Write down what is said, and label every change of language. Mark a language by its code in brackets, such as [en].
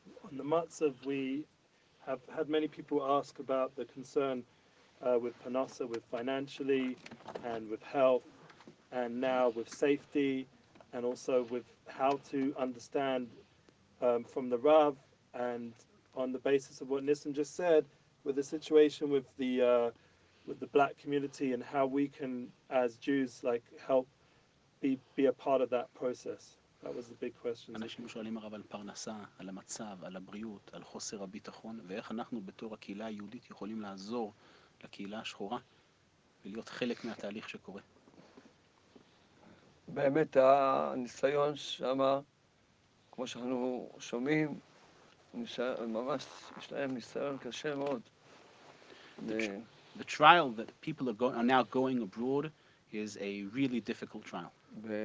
[en] On the matzav, we have had many people ask about the concern with Panasa, with financially and with health, and now with safety, and also with how to understand from the Rav, and on the basis of what Nissen just said, with the situation with the Black community and how we can, as Jews, like help be a part of that process. That was the big question. [he] אנשים שואלים הרב על פרנסה, על המצב, על הבריאות, על חוסר הביטחון, ואיך אנחנו בתור הקהילה היהודית יכולים לעזור לקהילה השחורה ולהיות חלק מהתהליך שקורה. [en] Okay. [he] באמת הניסיון שמה, כמו שאנחנו שומעים, ממש יש להם ניסיון קשה מאוד. [en] The trial that people are now going abroad is a really difficult trial.